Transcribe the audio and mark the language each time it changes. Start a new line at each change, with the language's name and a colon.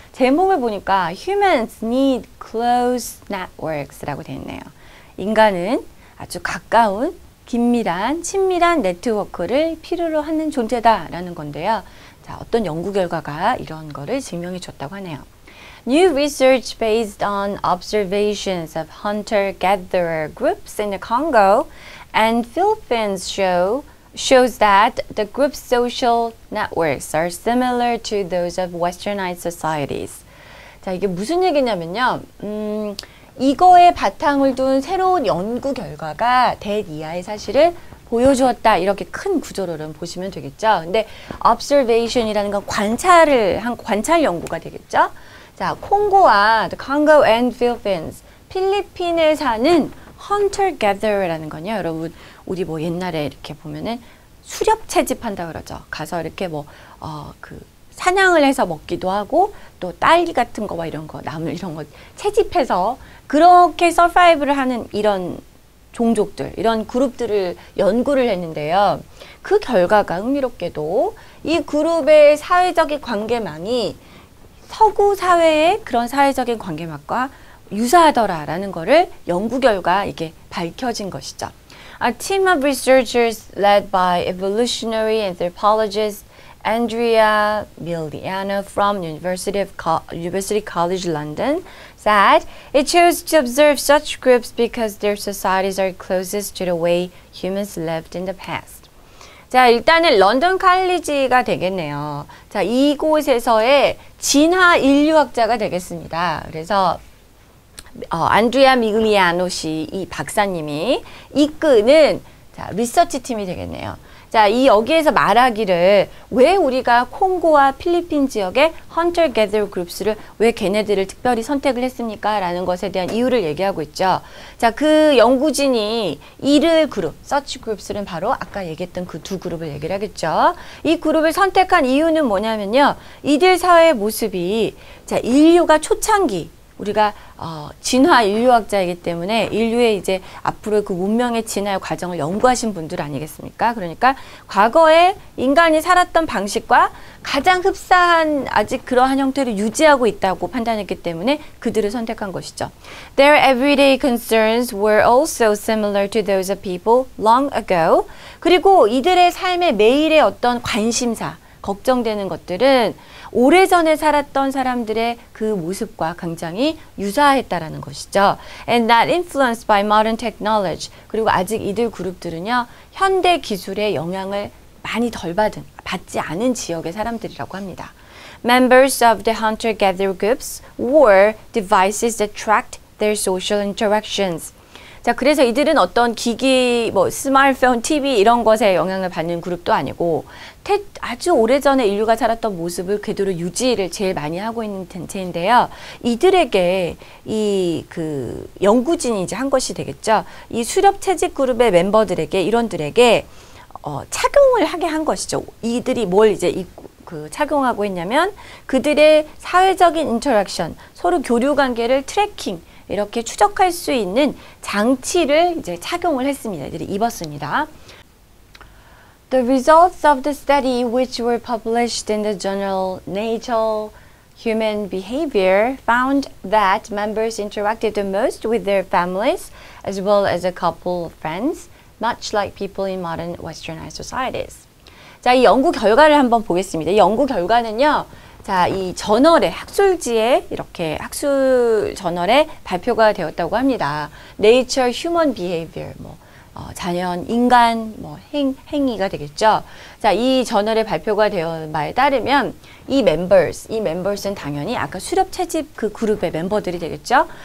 Korean: 제목을 보니까
English: Humans need close networks
Korean: 라고 되어있네요. 인간은 아주 가까운, 긴밀한, 친밀한 네트워크를 필요로 하는 존재다라는 건데요. 자, 어떤 연구 결과가 이런 거를 증명해줬다고 하네요.
English: New research based on observations of hunter-gatherer groups in the Congo and Philippines shows that the group's social networks are similar to those of westernized societies.
Korean: 자, 이게 무슨 얘기냐면요. 이거에 바탕을 둔 새로운 연구 결과가 대이하의 사실을 보여주었다. 이렇게 큰 구조로는 보시면 되겠죠. 근데 observation이라는 건 관찰을 한 관찰 연구가 되겠죠. 자, 콩고와
English: the Congo and Philippines,
Korean: 필리핀에 사는 hunter-gatherer라는 건요. 여러분, 우리 뭐 옛날에 이렇게 보면은 수렵 채집한다 그러죠. 가서 이렇게 뭐 그 사냥을 해서 먹기도 하고 또 딸기 같은 거와 이런 거, 나물 이런 거 채집해서 그렇게 서바이브를 하는 이런 종족들, 이런 그룹들을 연구를 했는데요. 그 결과가 흥미롭게도 이 그룹의 사회적인 관계망이 서구 사회의 그런 사회적인 관계망과 유사하더라라는 거를 연구 결과 이게 밝혀진 것이죠.
English: A team of researchers led by evolutionary anthropologist Andrea Miliano from University College London said it chose to observe such groups because their societies are closest to the way humans lived in the past.
Korean: 자, 일단은 런던 칼리지가 되겠네요. 자, 이곳에서의 진화 인류학자가 되겠습니다. 그래서 안드레아 미그미아노 씨, 이 박사님이 이끄는 리서치 팀이 되겠네요. 자, 이 여기에서 말하기를 왜 우리가 콩고와 필리핀 지역의 hunter gatherer groups를 왜 걔네들을 특별히 선택을 했습니까? 라는 것에 대한 이유를 얘기하고 있죠. 자, 그 연구진이 이를 그룹, search groups는 바로 아까 얘기했던 그 두 그룹을 얘기를 하겠죠. 이 그룹을 선택한 이유는 뭐냐면요. 이들 사회의 모습이 자, 인류가 초창기 우리가 진화 인류학자이기 때문에 인류의 이제 앞으로 그 문명의 진화 과정을 연구하신 분들 아니겠습니까? 그러니까 과거에 인간이 살았던 방식과 가장 흡사한 아직 그러한 형태를 유지하고 있다고 판단했기 때문에 그들을 선택한 것이죠.
English: Their everyday concerns were also similar to those of people long ago.
Korean: 그리고 이들의 삶의 매일의 어떤 관심사, 걱정되는 것들은 오래전에 살았던 사람들의 그 모습과 굉장히 유사했다라는 것이죠.
English: And that influenced by modern technology.
Korean: 그리고 아직 이들 그룹들은요, 현대 기술의 영향을 많이 덜 받지 않은 지역의 사람들이라고 합니다.
English: Members of the hunter-gatherer groups wore devices that tracked their social interactions.
Korean: 자, 그래서 이들은 어떤 기기, 뭐 스마트폰, TV 이런 것에 영향을 받는 그룹도 아니고 아주 오래전에 인류가 살았던 모습을 그대로 유지를 제일 많이 하고 있는 단체인데요. 이들에게 이 그 연구진이 이제 한 것이 되겠죠. 이 수렵 채집 그룹의 멤버들에게 이런들에게 착용을 하게 한 것이죠. 이들이 뭘 이제 입고 그 착용하고 했냐면 그들의 사회적인 인터랙션, 서로 교류 관계를 트래킹 이렇게 추적할 수 있는 장치를 이제 착용을 했습니다. 이들이 입었습니다.
English: The results of the study, which were published in the journal Nature Human Behavior, found that members interacted the most with their families, as well as a couple of friends, much like people in modern westernized societies.
Korean: 자, 이 연구 결과를 한번 보겠습니다. 이 연구 결과는요. 자, 이 저널에, 학술지에, 이렇게 학술 저널에 발표가 되었다고 합니다. Nature Human Behavior, 뭐, 자연, 인간, 뭐, 행위가 되겠죠. 자, 이 저널에 발표가 된 바에 따르면, 이 멤버스는 당연히 아까 수렵 채집 그 그룹의 멤버들이 되겠죠.